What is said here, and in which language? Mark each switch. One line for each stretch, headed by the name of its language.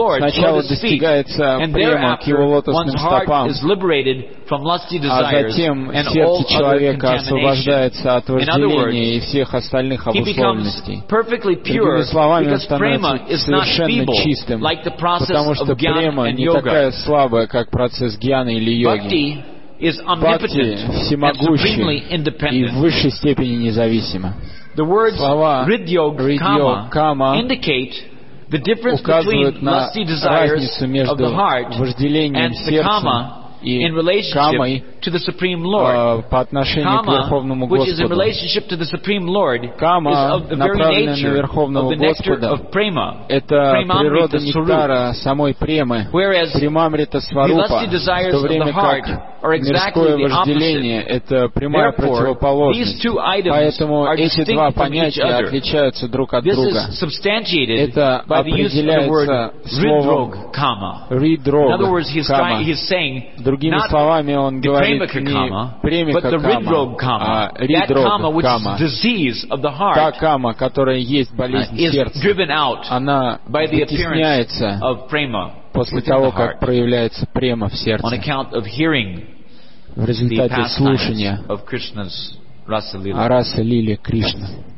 Russian: Сначала достигается према к его лотосным стопам, а затем сердце человека освобождается от вожделения и всех остальных обусловленностей. Другими словами, он становится совершенно чистым, потому что према не такая слабая, как процесс гьяны или йоги. Бхакти всемогущий и в высшей степени независима.
English: The words rid-yog, kama indicate the difference between lusty desires of the heart and the kama in relationship to the Supreme Lord. Kama, which is in relationship to the Supreme Lord, is of the very nature of the nectar of prema.
Russian: Это природа нектара самой премы.
English: Whereas the lusty desires of the heart are exactly the opposite.
Russian: Это прямая противоположность. Поэтому эти два понятия отличаются друг от друга.
English: This is substantiated by the use of the word rid-yog, kama. In other words, he's saying,
Russian: другими словами, он говорит не премика-кама, а ридрога-кама. Та кама, которая есть болезнь сердца, она вытесняется после того, как проявляется према в сердце в результате слушания о Раса Лиле Кришна.